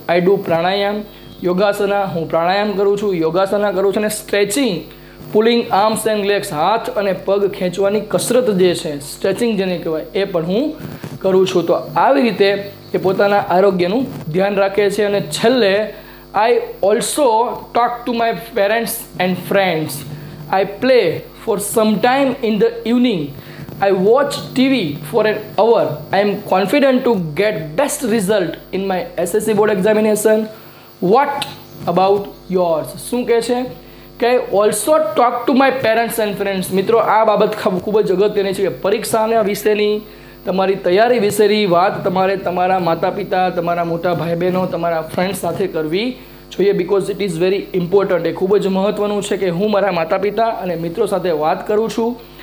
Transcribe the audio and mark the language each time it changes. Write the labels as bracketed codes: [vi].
[en] I do [gu] પ્રાણાયામ, યોગાસના. હું પ્રાણાયામ કરું છું, યોગાસના કરું છું અને stretching, [en] pulling arms and legs, [gu] હાથ અને પગ ખેંચવાની કસરત જે છે, સ્ટ્રેચિંગ જેને કહેવાય, એ પણ હું કરું છું. તો આવી રીતે એ પોતાના આરોગ્યનું ધ્યાન રાખે છે. અને છેલ્લે, [en] I also talk to my parents and friends. I play for some time in the evening. I watch TV for an hour. I am confident to get best result in my SSC board examination. What about yours? [gu] શું કહે છે કે [en] Also talk to my parents and friends. [gu] મિત્રો, આ બાબત ખૂબ જ અગત્યની છે. પરીક્ષાના વિશેની તમારી તૈયારી વિશેની વાત તમારે તમારા માતા પિતા, તમારા મોટા ભાઈ બહેનો, તમારા ફ્રેન્ડ્સ સાથે કરવી જોઈએ. [en] Because it is very important. [gu] એ ખૂબ જ મહત્ત્વનું છે કે હું મારા માતા પિતા અને મિત્રો સાથે વાત કરું છું.